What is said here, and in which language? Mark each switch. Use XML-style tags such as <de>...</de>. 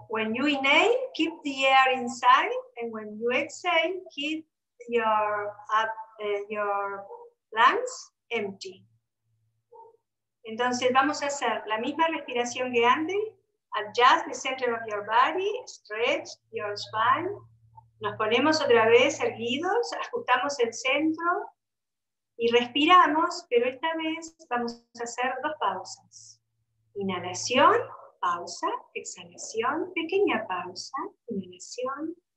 <en>When you inhale, keep the air inside, and when you exhale, keep your lungs empty.</en> <es>Entonces vamos a hacer la misma respiración que antes.</es> <en>Adjust the center of your body, stretch your spine.</en> <es>Nos ponemos otra vez erguidos, ajustamos el centro y respiramos, pero esta vez vamos a hacer dos pausas. Inhalación. Pausa, exhalación, pequeña pausa, inhalación.</es>